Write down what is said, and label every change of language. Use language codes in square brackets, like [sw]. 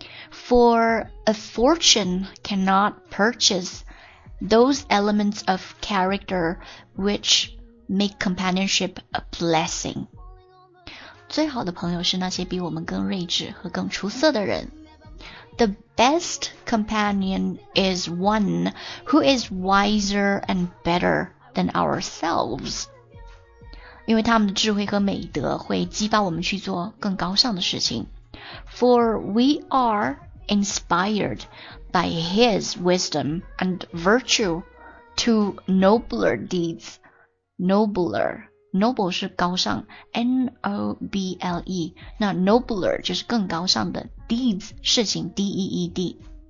[en] For a fortune cannot purchase those elements of character whichmake companionship a blessing。 [zh] 最好的朋友是那些比我们更睿智和更出色的人。 [en] The best companion is one who is wiser and better than ourselves。 [zh] 因为他们的智慧和美德会激发我们去做更高尚的事情。 [en] For we are inspired by his wisdom and virtue to nobler deeds。 [zh] Nobler， noble 是高尚， N-O-B-L-E， 那 nobler 就是更高尚的， deeds 事情， D-E-E-D。